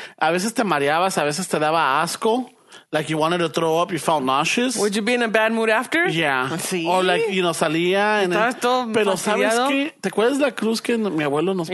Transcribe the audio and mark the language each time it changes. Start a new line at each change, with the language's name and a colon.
Spanish: A veces te mareabas, a veces te daba asco.
English: Like you wanted to throw up, you felt nauseous. Would you be in a bad mood after? Yeah.
Spanish: ¿Sí?
English: Or like, you know,
Spanish: salía. Pero sabes que, ¿te acuerdas la cruz que mi abuelo nos mandó?